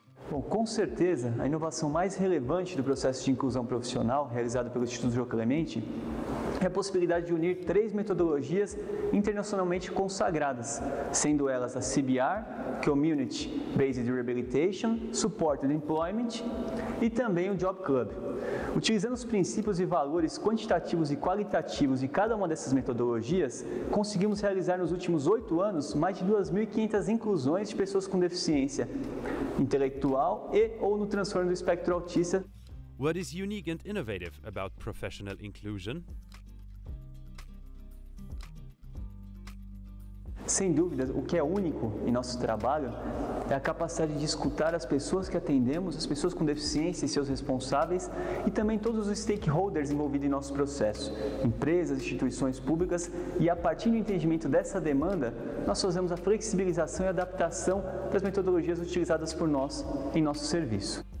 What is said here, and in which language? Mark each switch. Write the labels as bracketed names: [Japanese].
[Portuguese] Bom, com certeza, a inovação mais relevante do processo de inclusão profissional realizado pelo Instituto Clemente é a possibilidade de unir três metodologias internacionalmente consagradas, sendo elas a CBR, Community-Based Rehabilitation, Supported Employment e também o Job Club. Utilizando os princípios e valores quantitativos e qualitativos de cada uma dessas metodologias, conseguimos realizar nos últimos 8 anos mais de 2.500 inclusões de pessoas com deficiência intelectual e ou no transtorno do espectro autista. [English] What is unique and innovative about professional inclusion? [Portuguese] Sem dúvidas, o que é único em nosso trabalho é a capacidade de escutar as pessoas que atendemos, as pessoas com deficiência e seus responsáveis, e também todos os stakeholders envolvidos em nosso processo, empresas, instituições públicas, e a partir do entendimento dessa demanda, nós fazemos a flexibilização e adaptação das metodologias utilizadas por nós em nosso serviço.